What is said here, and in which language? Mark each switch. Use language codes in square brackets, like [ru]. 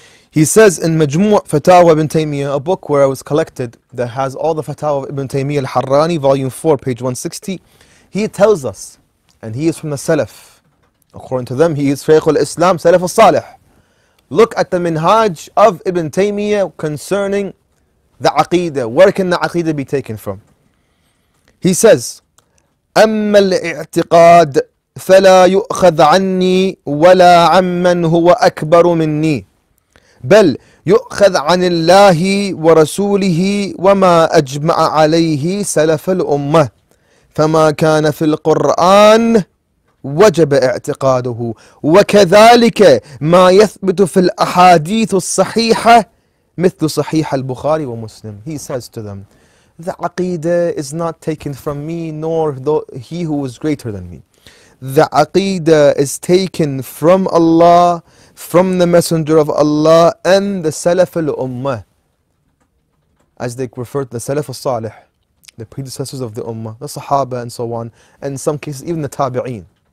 [en] He says in Majmu'at Fatawa Ibn Taymiyyah, a book where I was collected, that has all the Fatawa of Ibn Taymiyyah al-Harrani, volume 4, page 160. He tells us, and he is from the Salaf. According to them, he is Shaykh al-Islam, Salaf al-Salih. Look at the Minhaj of Ibn Taymiyyah concerning the aqeedah. Where can the aqeedah be taken from? He says, [ar] أما الاعتقاد فلا يؤخذ عني ولا عمن هو أكبر مني بل يؤخذ عن الله ورسوله وما أجمع عليه سلف الأمة فما كان في القرآن وجب اعتقاده وكذلك ما يثبت في الأحاديث الصحيحة مثل صحيح البخاري ومسلم. [en] He says to them, the aqeedah is not taken from me nor though he who is greater than me. The aqeedah is taken from Allah, from the Messenger of Allah, and the Salaf al-Ummah, as they refer to the Salaf al-Salih, the predecessors of the Ummah, the Sahaba and so on, and in some cases even the Tabi'een.